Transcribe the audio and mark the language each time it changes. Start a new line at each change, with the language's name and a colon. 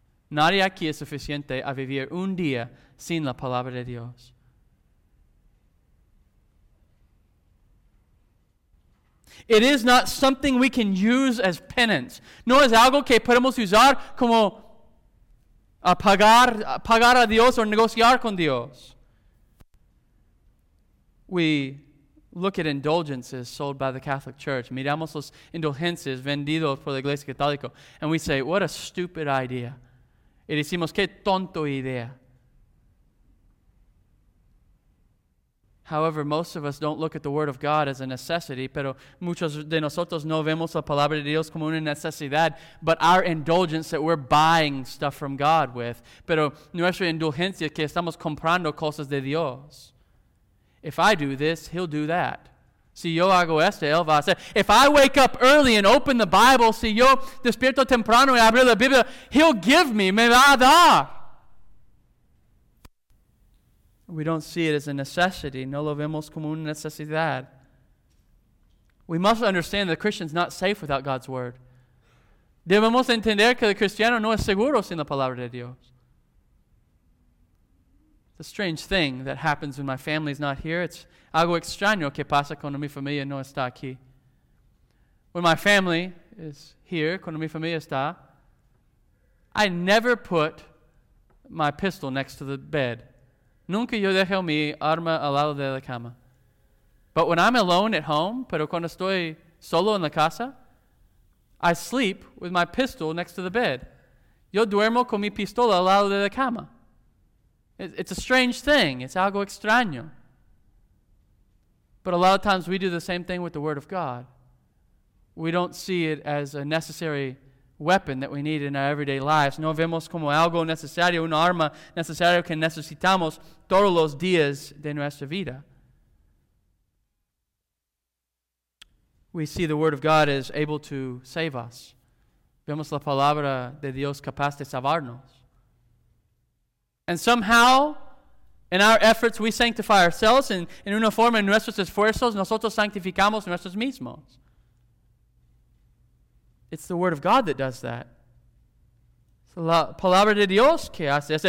Spanish: Nadie aquí es suficiente a vivir un día sin la palabra de Dios.
English: It is not something we can use as penance.
Spanish: No es algo que podemos usar como a pagar a Dios o negociar con Dios.
English: We look at indulgences sold by the Catholic Church.
Spanish: Miramos los indulgencias vendidos por la Iglesia Católica.
English: And we say, what a stupid idea.
Spanish: Y decimos, qué tonto idea.
English: However, most of us don't look at the Word of God as a necessity,
Spanish: pero muchos de nosotros no vemos la Palabra de Dios como una necesidad,
English: but our indulgence that we're buying stuff from God with.
Spanish: Pero nuestra indulgencia que estamos comprando cosas de Dios.
English: If I do this, he'll do that.
Spanish: Si yo hago esto, él va a hacer.
English: If I wake up early and open the Bible,
Spanish: si yo despierto temprano y abro la Biblia,
English: he'll give me,
Spanish: me va a dar.
English: We don't see it as a necessity.
Spanish: No lo vemos como una necesidad.
English: We must understand that a Christian's not safe without God's Word.
Spanish: Debemos entender que el cristiano no es seguro sin la palabra de Dios.
English: The strange thing that happens when my family's not here, it's
Spanish: algo extraño que pasa cuando mi familia no está aquí.
English: When my family is here,
Spanish: cuando mi familia está,
English: I never put my pistol next to the bed.
Spanish: Nunca yo dejo mi arma al lado de la cama.
English: But when I'm alone at home,
Spanish: pero cuando estoy solo en la casa, I sleep with my pistol next to the bed. Yo duermo con mi pistola al lado de la cama.
English: It's a strange thing. It's
Spanish: algo extraño.
English: But a lot of times we do the same thing with the Word of God. We don't see it as a necessary weapon that we need in our everyday lives.
Spanish: No vemos como algo necesario, una arma necesaria que necesitamos todos los días de nuestra vida.
English: We see the Word of God as able to save us.
Spanish: Vemos la palabra de Dios capaz de salvarnos.
English: And somehow, in our efforts, we sanctify ourselves.
Spanish: And in una forma, en nuestros esfuerzos, nosotros sanctificamos nuestros mismos. It's the Word of God that does that. It's la palabra de Dios que hace eso.